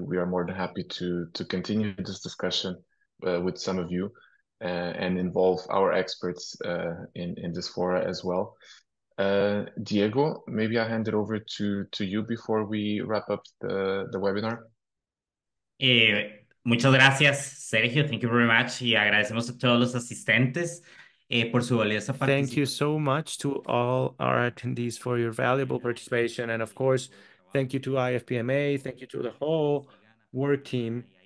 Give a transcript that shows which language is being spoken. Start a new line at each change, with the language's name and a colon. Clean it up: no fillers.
English: We are more than happy to continue this discussion with some of you and involve our experts in this fora as well. Diego, maybe I'll hand it over to you before we wrap up the webinar.
Spanish: Muchas gracias,
English: Sergio. Thank you very much.
Spanish: Y agradecemos a todos los asistentes por su valiosa participación.
English: Thank you so much to all our attendees for your valuable participation. And of course, thank you to IFPMA. Thank you to the whole work team.